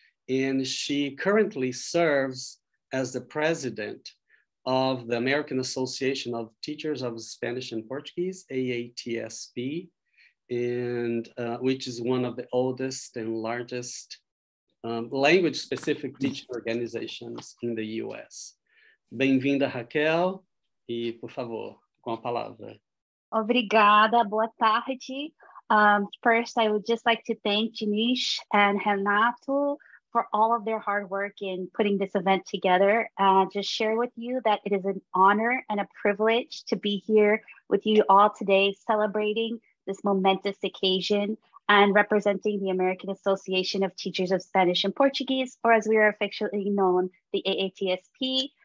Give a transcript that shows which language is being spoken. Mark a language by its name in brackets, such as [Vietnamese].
[English] And she currently serves as the president of the American Association of Teachers of Spanish and Portuguese, AATSP, and which is one of the oldest and largest language-specific teaching organizations in the US. [Portuguese] Bem-vinda, Raquel, e por favor, com a palavra. Obrigada, boa tarde. [English] First, I would just like to thank Denise and Renato for all of their hard work in putting this event together. Just share with you that it is an honor and a privilege to be here with you all today celebrating this momentous occasion and representing the American Association of Teachers of Spanish and Portuguese, or as we are affectionately known, the AATSP,